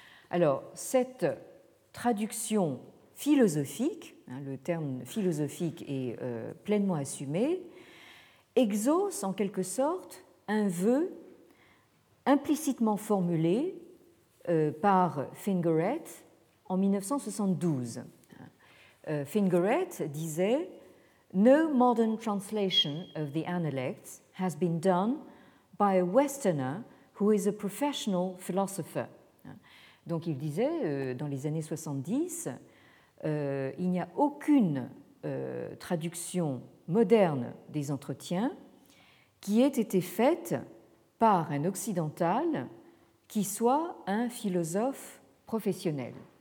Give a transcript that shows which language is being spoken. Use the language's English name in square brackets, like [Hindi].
[French] Alors, cette traduction philosophique, le terme philosophique est pleinement assumé, exauce en quelque sorte un vœu implicitement formulé par Fingeret en 1972. Fingeret disait: [English] No modern translation of the Analects has been done by a Westerner who is a professional philosopher. [French] Donc il disait, dans les années 70, il n'y a aucune traduction moderne des entretiens qui ait été faite par un occidental qui soit un philosophe professionnel.